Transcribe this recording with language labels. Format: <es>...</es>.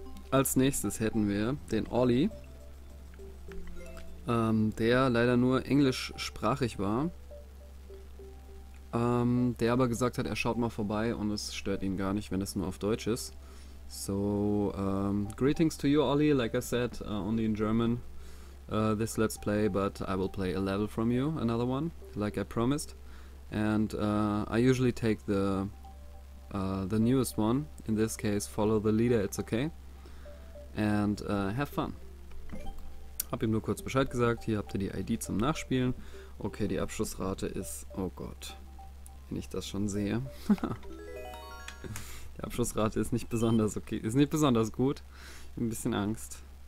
<de>Als nächstes hätten wir den Ollie, der leider nur englischsprachig war. Der aber gesagt hat, er schaut mal vorbei und es stört ihn gar nicht, wenn es nur auf Deutsch ist.</de> <en>So, greetings to you, Ollie. Like I said, only in German. This let's play, but I will play a level from you, another one, like I promised. And I usually take the newest one. In this case, follow the leader, it's okay. And have fun.</en> <de>Hab ihm nur kurz Bescheid gesagt. Hier habt ihr die ID zum Nachspielen. Okay, die Abschlussrate ist, oh Gott, wenn ich das schon sehe. Die Abschlussrate ist nicht besonders okay, ist nicht besonders gut. Ich hab ein bisschen Angst.</de>